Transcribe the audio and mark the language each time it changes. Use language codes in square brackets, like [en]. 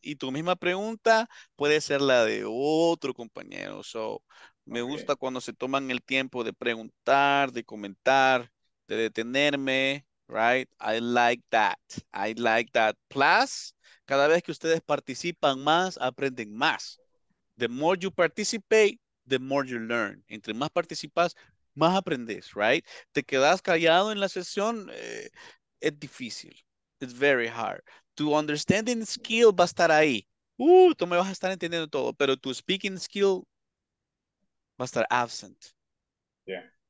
[es] Y tu misma pregunta puede ser la de otro compañero. So, me gusta cuando se toman el tiempo de preguntar, de comentar, de detenerme. [en] Right? I like that. [es] I like that. Plus, cada vez que ustedes participan más, aprenden más. [en] The more you participate, the more you learn. [es] Entre más participas, más aprendes, right? Te quedas callado en la sesión, es difícil. [en] It's very hard. [es] Tu [en] understanding skill [es] va a estar ahí. Tú me vas a estar entendiendo todo, pero tu [en] speaking skill [es] va a estar [en] absent. Yeah.